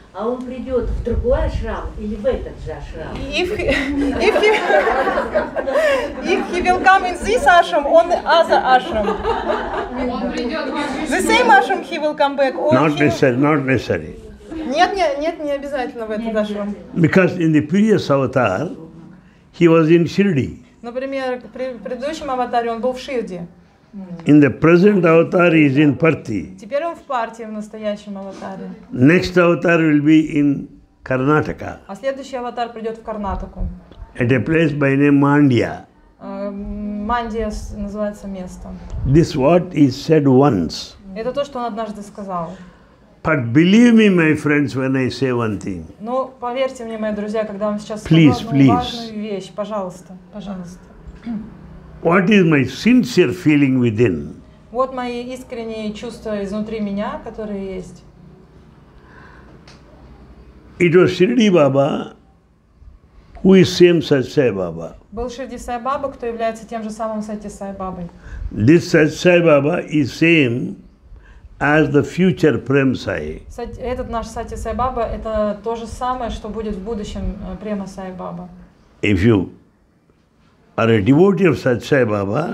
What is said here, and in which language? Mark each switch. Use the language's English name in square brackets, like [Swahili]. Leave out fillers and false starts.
[Russian] А он придет в другой ашрам или в этот же ашрам? [English] If he will come in this ashram, on the other ashram. The same ashram he will come back. Not necessary. [Russian] Нет, не обязательно в этот ашрам. [English] Because in the previous avatar, he was in Shirdi. [Russian] Например, при предыдущем аватаре он был в Ширди. [English] In the present avatar he is in Parthi. [Russian] Теперь он в Парти, в настоящем аватаре. [English] Next avatar will be in Karnataka. [Russian] А следующий аватар придет в Карнатаку. [English] At a place by name Mandya. [Russian] Мандия называется местом. [English] This what he said once. [Russian] Это то, что он однажды сказал. [English] But believe me, my friends, when I say one thing. [Russian] Но поверьте мне, мои друзья, когда вам сейчас важную вещь, пожалуйста, пожалуйста. [English] What is my sincere feeling within? [Russian] Вот мои искренние чувства изнутри меня, которые есть. [English] It was Shirdi Baba, who is same Sathya Sai Baba. [Russian] Был Shirdi Sai Baba, кто является тем же самым Сати Сай Бабой. [English] This Sathya Sai Baba is same as the future Prem Sai. [Russian] Этот наш Сати Сай Баба – это то же самое, что будет в будущем Према Сай Баба. [English] If you are a devotee of Sati Sai Baba,